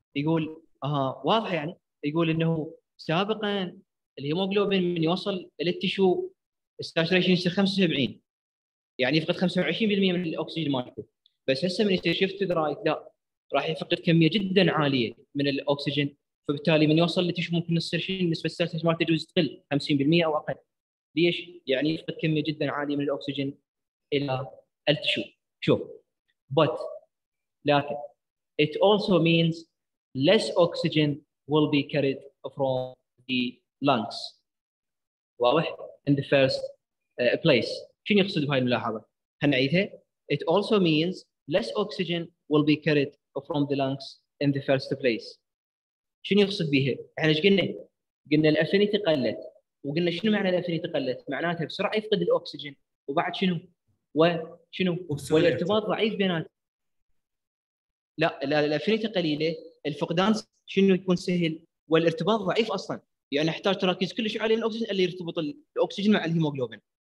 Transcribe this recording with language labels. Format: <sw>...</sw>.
<ar>يقول اها واضحه، يعني يقول انه سابقا الهيموغلوبين من يوصل للتشو الساتوريشن يصير 75، يعني يفقد 25% من الاكسجين مالته، بس هسه من يصير شيفت تو ذا رايت لا، راح يفقد كميه جدا عاليه من الاكسجين، فبالتالي من يوصل للتشو ممكن يصير شيء النسبه الساتوريشن مالته يجوز تقل 50% او اقل. ليش؟ يعني يفقد كمية جدا عالية من الأكسجين إلى التشو. شوف</ar> <en>but</en> <ar>لكن</ar> <en>it also means less oxygen will be carried from the lungs.</en> <ar>واضح؟</ar> <en>in the first place.</en> <ar>شنو يقصد بهاي الملاحظة؟ هنعيدها.</ar> <en>It also means less oxygen will be carried from the lungs in the first place.</en> <ar>شنو يقصد بيها؟ احنا ايش قلنا؟ قلنا الافينيتي قلت، وقلنا شنو معنى الافينيتي قلت؟ معناتها بسرعه يفقد الاكسجين، وبعد شنو؟ وشنو؟ والارتباط ضعيف بينات. لا لا، الافينيتي قليله، الفقدان شنو يكون سهل؟ والارتباط ضعيف اصلا، يعني نحتاج تركيز كلش على الاكسجين اللي يرتبط الاكسجين مع الهيموجلوبين.</ar>